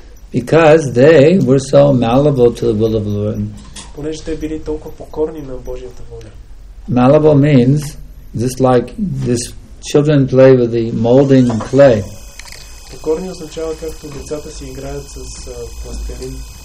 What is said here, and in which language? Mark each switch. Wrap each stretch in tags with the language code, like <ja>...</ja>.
<en>Because they were so malleable to the will of the Lord.</en> <bg>Понеже те били толкова покорни на Божията воля.</bg> <en>Malleable means just like this children play with the molding clay.</en> <bg>Покорни означава както децата си играят с пластелин.</bg>